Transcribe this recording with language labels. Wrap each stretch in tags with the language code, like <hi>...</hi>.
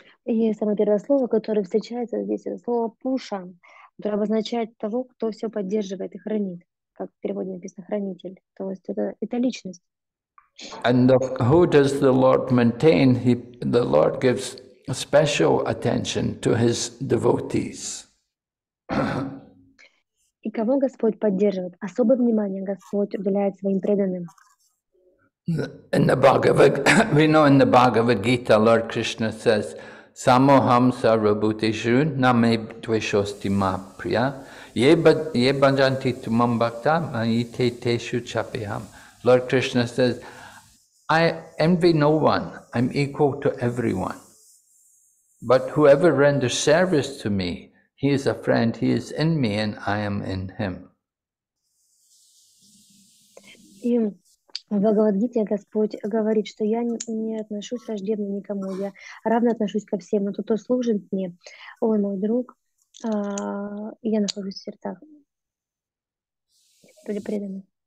<ru>И самое первое слово, которое встречается здесь, это слово Pushan, которое обозначает того, кто все поддерживает и хранит. как в переводе написано хранитель, то есть это личность.</ru> <en>And the, who does the Lord maintain? He, the Lord gives special attention to his devotees.</en> <ru>И кого Господь поддерживает? Особое внимание Господь уделяет своим преданным.</ru> <en>In the Bhagavad, we know in the Bhagavad Gita, Lord Krishna says,</en> <sa>Samoham sarvabhuteshu name dveshosti ma priya ye bhajanti tumam bhakta mayite teshu chapiham.</sa> <en>Lord Krishna says, I envy no one, I'm equal to everyone. But whoever renders service to me, he is a friend, he is in me and I am in him.</en> <ru>В Бхагавад-гите Господь говорит, что я не отношусь враждебно никому, я равно отношусь ко всем, но тот, кто служит мне, он мой друг, я нахожусь в сердцах. Были преданы.</ru>